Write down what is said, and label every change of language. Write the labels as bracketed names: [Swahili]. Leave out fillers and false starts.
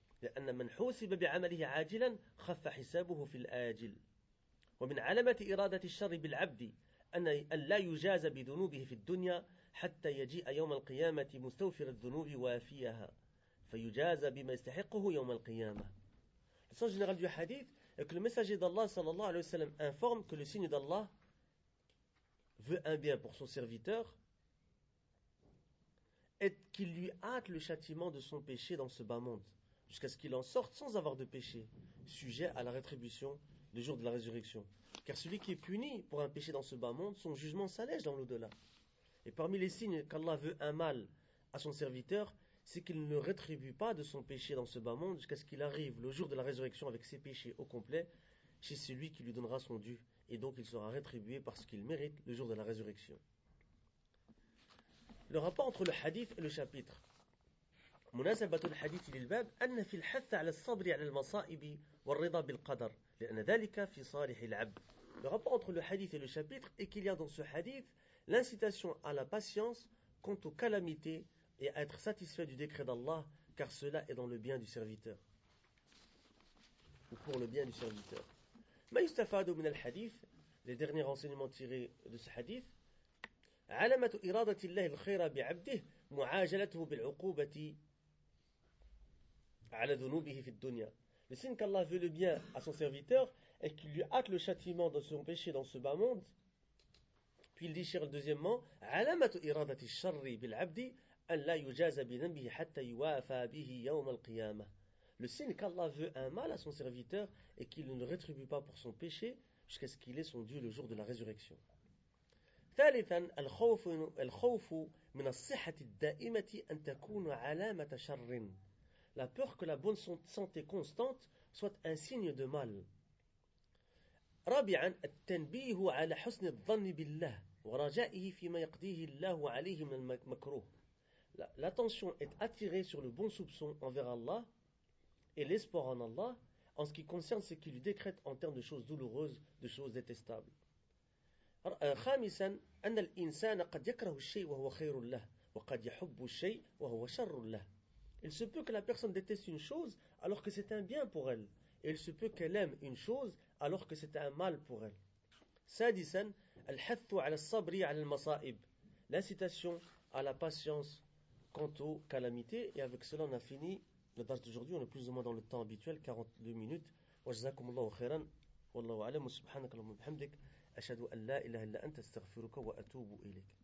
[Arabic] لأن من حوسب بعمله عاجلا خف حسابه في الآجل ومن علامة إرادة الشر بالعبد أن لا يجاز بذنوبه في الدنيا حتى يجيء يوم القيامة مستوفر الذنوب وافيها فيجازى بما يستحقه يوم القيامة. [French] Le sens général du hadith est que le messager d'Allah [Arabic] sallallahu alayhi wa sallam [French] informe que le signe d'Allah veut un bien pour son serviteur et qu'il lui hâte le châtiment de son péché dans ce bas monde, jusqu'à ce qu'il en sorte sans avoir de péché, sujet à la rétribution le jour de la résurrection. Car celui qui est puni pour un péché dans ce bas monde, son jugement s'allège dans l'au-delà. Et parmi les signes qu'Allah veut un mal à son serviteur, c'est qu'il ne rétribue pas de son péché dans ce bas monde jusqu'à ce qu'il arrive le jour de la résurrection avec ses péchés au complet chez celui qui lui donnera son dû. Et donc il sera rétribué parce qu'il mérite le jour de la résurrection. Le rapport entre le hadith et le chapitre. [Arabic] مناسبة الحديث للباب أن في الحث على الصبر على المصائب والرضا بالقدر لأن ذلك في صالح العبد. [French] Le rapport entre le hadith et le chapitre est qu'il y a dans ce hadith l'incitation à la patience quant aux calamités et à être satisfait du décret d'Allah car cela est dans le bien du serviteur. Ou pour le bien du serviteur. [Arabic] ما يستفاد من الحديث [French] les derniers renseignements tirés de ce hadith [Arabic] علامة إرادة الله الخير بعبده معاجلته بالعقوبة على ذنوبه في الدنيا. [French] Le signe qu'Allah veut le bien à son serviteur est qu'il lui hâte le châtiment de son péché dans ce bas monde. Puis il déchire le deuxièmement, [Arabic] علامة إرادة الشر بالعبد أن لا يجازى بذنبه حتى يوافى به يوم القيامة. [French] Le signe qu'Allah veut un mal à son serviteur est qu'il ne rétribue pas pour son péché jusqu'à ce qu'il ait son dû le jour de la résurrection. [Arabic] ثالثا الخوف من الصحة الدائمة أن تكون علامة شر. [French] La peur que la bonne santé constante soit un signe de mal. [Arabic] رابعا التنبيه على حسن الظن بالله ورجائه فيما يقضيه الله عليه من المكروه. [French] L'attention est attirée sur le bon soupçon envers Allah et l'espoir en Allah en ce qui concerne ce qu'il lui décrète en termes de choses douloureuses, de choses détestables. [Arabic] خامسا أن الإنسان قد يكره الشيء وهو خير له وقد يحب الشيء وهو شر له. [French] Il se peut que la personne déteste une chose alors que c'est un bien pour elle. Et il se peut qu'elle aime une chose alors que c'est un mal pour elle. [Arabic] سادسا الحث على الصبر على المصائب. [French] L'incitation à la patience quant aux calamités. Et avec cela on a fini le darj d'aujourd'hui. On est plus ou moins dans le temps habituel, 42 minutes. [Arabic] وجزاكم الله خيرا والله أعلم وسبحانك اللهم وبحمدك أشهد أن لا إله إلا أنت أستغفرك وأتوب إليك.